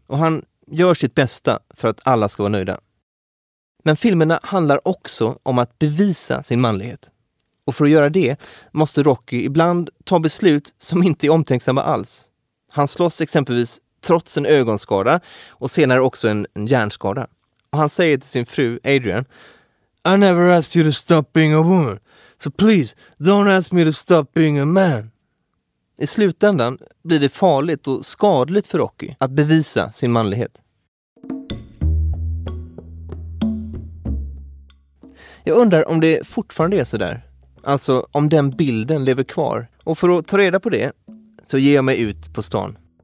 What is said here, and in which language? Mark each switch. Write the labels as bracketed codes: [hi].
[sv] Och han gör sitt bästa för att alla ska vara nöjda. Men filmerna handlar också om att bevisa sin manlighet. Och för att göra det måste Rocky ibland ta beslut som inte är omtänksamma alls. Han slåss exempelvis trots en ögonskada och senare också en hjärnskada. Och han säger till sin fru Adrian: [en] I never asked you to stop being a woman. So please, don't ask me to stop being a man. [sv] I slutändan blir det farligt och skadligt för Rocky att bevisa sin manlighet. Jag undrar om det fortfarande är så där. Alltså om den bilden lever kvar. Och för att ta reda på det så ger jag mig ut på stan.